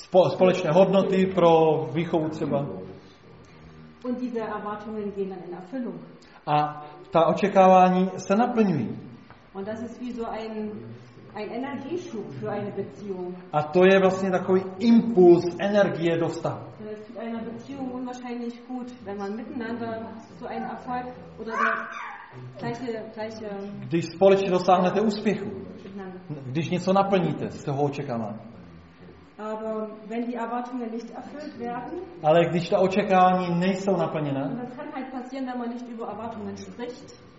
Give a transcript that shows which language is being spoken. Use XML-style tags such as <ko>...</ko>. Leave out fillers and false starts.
<cs>Společné hodnoty pro výchovu třeba.</cs> <de>Und diese Erwartungen gehen dann in Erfüllung.</de> <cs>A ta očekávání se naplňují.</cs> <de>Und das ist wie so ein Energieschub für eine Beziehung.</de> <cs>A to je vlastně takový impuls energie do vztahu.</cs> <de>Für eine Beziehung unwahrscheinlich gut, wenn man miteinander so einen Erfolg oder so gleiche.</de> <cs>Když společně dosáhnete úspěchu. Když něco naplníte z toho očekávání.</cs> <de>Aber wenn die Erwartungen nicht erfüllt werden.</de> <cs>Ale když ta očekávání nejsou naplněna.</cs> <de>Das kann halt passieren, wenn man nicht über Erwartungen spricht.</de>